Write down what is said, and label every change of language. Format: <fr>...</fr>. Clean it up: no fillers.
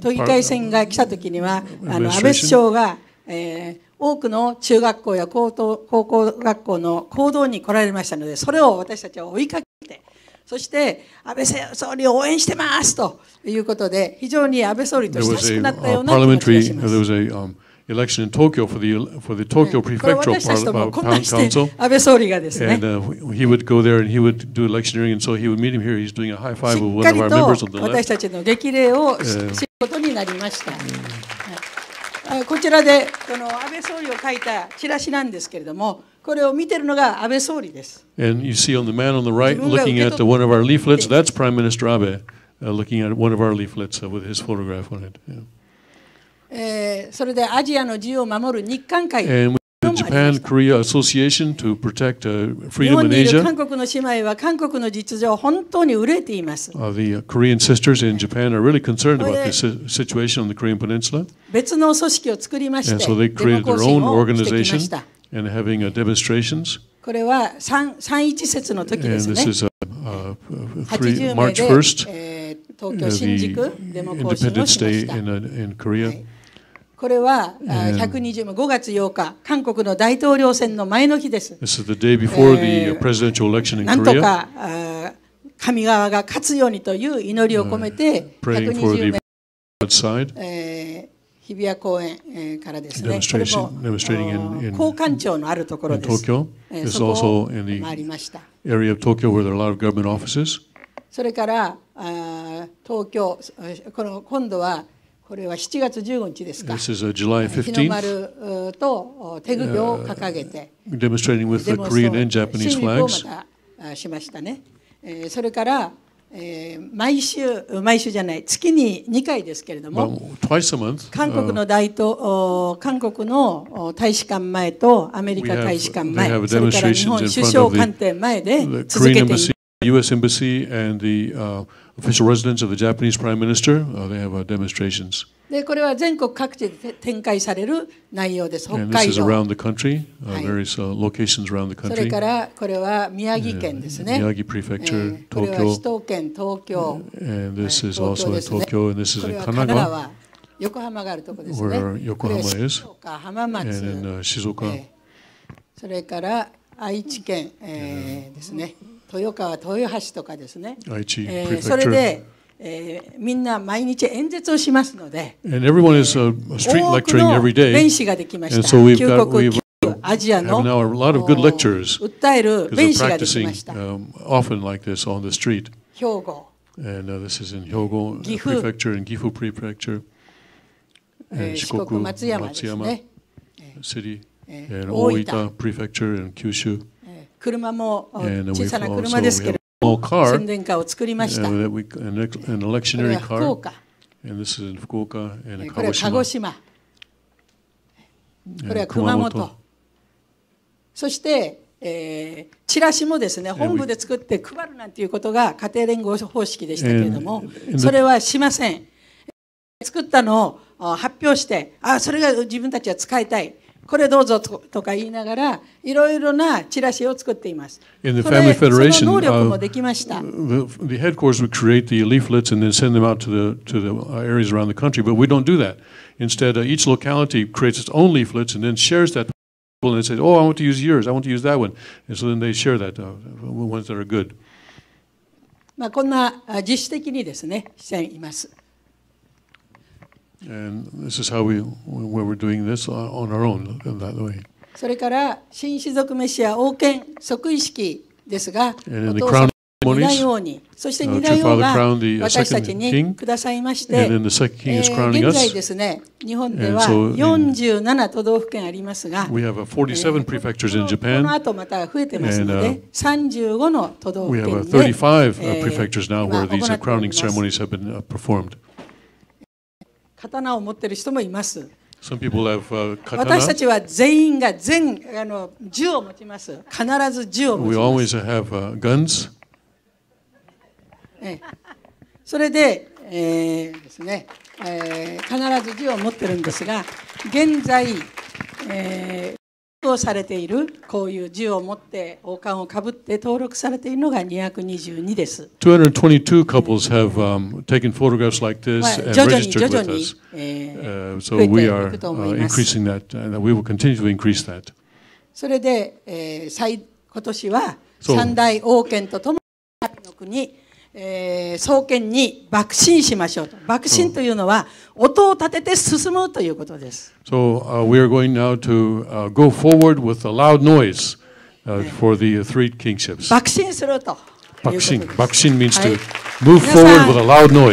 <ja>都議会選が来た時には、安倍首相が、多くの中学校や高校学校の講堂に来られましたので、それを私たちは追いかけて、そして安倍総理を応援してますということで、非常に安倍総理と親しくなったような気がします。</ja> <en>Election in Tokyo for the Tokyo Prefectural Council. And he would go there and he would do electioneering, and so he would meet him here. He's doing a high five with one of our members on the left.</en> <ja>私たちの激励をすることになりました。こちらでこの安倍総理を書いたチラシなんですけれども、これを見てるのが安倍総理です。</ja> <en>And you see on the man on the right looking at one of our leaflets. That's Prime Minister Abe looking at one of our leaflets with his photograph on it.</en> <ja>それでアジアの自由を守る日韓会と</ja> <en>Japan Korea Association to protect freedom in Asia.</en> <ja>韓国の姉妹は韓国の実情を本当に憂えています。</ja> <en>The Korean sisters in Japan are really concerned about the situation on the Korean Peninsula.</en> <ja>別の組織を作りまして、デモ行進をしてきました。</ja> <en>And having demonstrations.</en> <ja>これは三一節の時ですね。</ja> <en>And this is March 1st.</en> <ja>東京新宿デモ行進をしました。</ja> <en>Day in Korea.</en> <ja>これは120万、5月8日、韓国の大統領選の前の日です。</ja> <en>This is the day before the presidential election in Korea.</en> <ja>なんとか神側が勝つようにという祈りを込めて、120 万、日比谷公園からですね。</ja> <en>Demonstration, demonstrating in</en> <ja>高官庁のあるところです。</ja> <en>Tokyo. This is also in the area of Tokyo where there are a lot of government offices.</en> <ja>それから東京、この今度はこれは7月15日ですか。</ja> <en>This is July 15th.</en> <ja>日の丸と手首を掲げて、</ja> <en>demonstrating with the Korean and Japanese flags.</en> <ja>しましたね。それから、毎週じゃない、月に2回ですけれども、</ja> <en>twice a month.</en> <ja>韓国の韓国の大使館前とアメリカ大使館前、それから日本首相官邸前で続けています。</ja> <en>U.S. Embassy and the official residence of the Japanese Prime Minister. They have demonstrations.</en> <ja>で、これは全国各地で展開される内容です。北海道。</ja> <en>And this is around the country. Various locations around the country.</en> <ja>それからこれは宮城県ですね。</ja> <en>宮城 Prefecture, Tokyo.</en> <ja>これは首都圏、東京。</ja> <en>And this is also in Tokyo. And this is in Kanagawa.</en> <ja>これは神奈川、横浜があるところですね。</ja> <en>Where Yokohama is.</en> <ja>静岡、浜松。</ja> <en>And in Shizuoka.</en> <ja>それから愛知県ですね。豊川豊橋とかですね。愛知それで、みんな毎日演説をしますので、</ja> <en>And everyone is street lecturing every day.</en> <ja>多くの弁士ができました。</ja> <en>And so we've got, we've</en> <ja>アジアの</ja> <en>have now a lot of good lecturers.</en> <ja>訴える弁士ができました。</ja> <en>Because they're practicing often like this on the street.</en> <ja>兵庫。</ja> <en>And this is in Hyogo Prefecture and Gifu Prefecture. And</en> <ja>四国松山ですね。</ja> <en>City and 大分 Prefecture and Kyushu.</en> <ja>車も小さな車ですけど。</ja> <en>Car,</en> <ja>宣伝カーを作りました。</ja> <en>And we, an electioneering car.</en> <ja>これは福岡。</ja> <en>And this is in Fukuoka and in</en> <ja>これは鹿児島。これは熊本。熊本そして、チラシもですね、本部で作って配るなんていうことが家庭連合方式でしたけれども、それはしません。作ったのを発表して、あ、それが自分たちは使いたい。これどうぞとか言いながらいろいろなチラシを作っています。それその能力もできました。</ja> <en>The headquarters would create the leaflets and then send them out to the areas around the country, but we don't do that. Instead, each locality creates its own leaflets and then shares that to people and says, "Oh, I want to use yours. I want to use that one." And so then they share that ones that are good.</en> <ja>まあこんな自主的にですねしています。</ja> <en>And this is how we were doing this on our own in that way.</en> <ja>それから新種族メシア王権即位式ですが、お父さん二代王に、そして二代王が私たちにくださいまして、現在ですね、日本では47都道府県ありますが、</ja> <en>we have 47 prefectures in Japan.</en> <ja>この後また増えてますので、35の都道府県で、</ja> <en>we have 35 prefectures now where these crowning ceremonies have been performed.</en> <ja>刀を持っている人もいます。</ja> <en>Some people have,</en> <ja>私たちは全員が全あの銃を持ちます。必ず銃を持ちます。</ja> <en>We always have, guns.</en> <ja>それで、ですね必ず銃を持っているんですが、現在、登録されているこういう銃を持って王冠をかぶって登録されているのが222です。</ja> <en>222 couples have taken photographs like this and registered with us. So we are increasing that, and we will continue to increase that.</en> <ja>それで、今年は三大王権とともに国創建に幕臣しましょうと。幕臣というのは音を立てて進むということです。</ja> <en>So, we are going now to, go forward with a loud noise, for the three kingships.</en> <ja>幕臣すると。幕臣。</ja> <en>幕臣 means to move forward with a loud noise.</en>